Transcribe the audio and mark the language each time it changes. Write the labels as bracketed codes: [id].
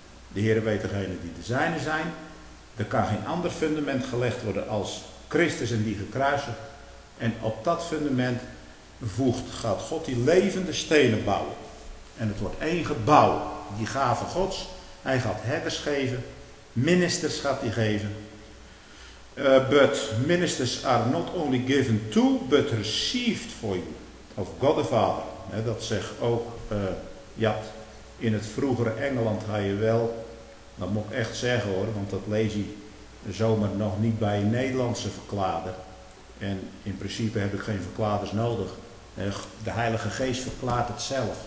[nl] De Heere weet degene die de zijne zijn. Er kan geen ander fundament gelegd worden als Christus en die gekruisigd. En op dat fundament gaat God die levende stenen bouwen. En het wordt één gebouw. Die gave Gods. Hij gaat herders geven. Ministers gaat hij geven. [en] But ministers are not only given to, but received for you. Of God the Father. He, [nl] dat zegt ook Jad. In het vroegere Engeland ga je wel. Dat moet ik echt zeggen hoor. Want dat lees je zomaar nog niet bij een Nederlandse verklader. En in principe heb ik geen verkladers nodig. De Heilige Geest verklaart het zelf.